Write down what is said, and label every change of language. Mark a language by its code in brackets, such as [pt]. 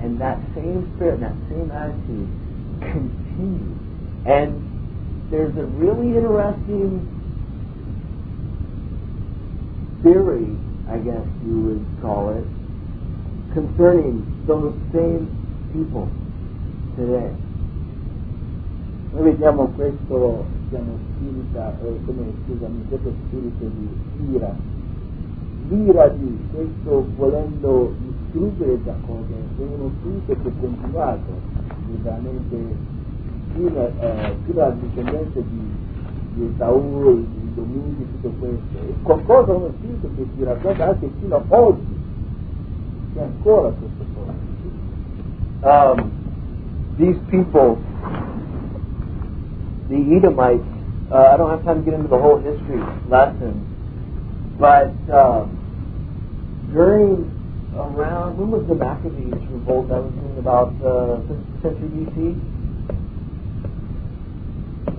[en] And that same spirit, that same attitude continues. And there's a really interesting theory, I guess you would call it, concerning those same people today. [it] Noi vediamo questo, diciamo, spirito, come, scusami, questo spirito di ira. L'ira di questo volendo distruggere da cose, è uno spirito che è continuato veramente fino alla discendenza di Saul, di Domingo, tutto questo. È qualcosa, uno spirito che si racconta anche fino a oggi, c'è ancora questo cosa. [en] These people, the Edomites, I don't have time to get into the whole history lesson, but during around, when was the Maccabees revolt? That was in about the 5th century BC.